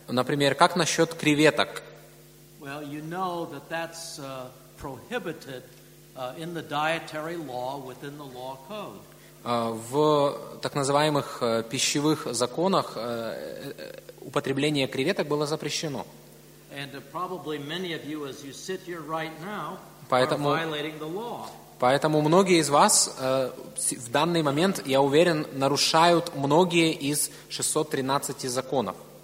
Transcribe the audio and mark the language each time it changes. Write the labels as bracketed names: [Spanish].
[Russian] Например, как насчет креветок? [English] Well, you know that that's prohibited in the dietary law within the law code. [Russian] В так называемых пищевых законах употребление креветок было запрещено. [English] And probably many of you, as you sit here right now, are violating the law. [Russian] Поэтому многие из вас в данный момент, я уверен, нарушают многие из 613 законов.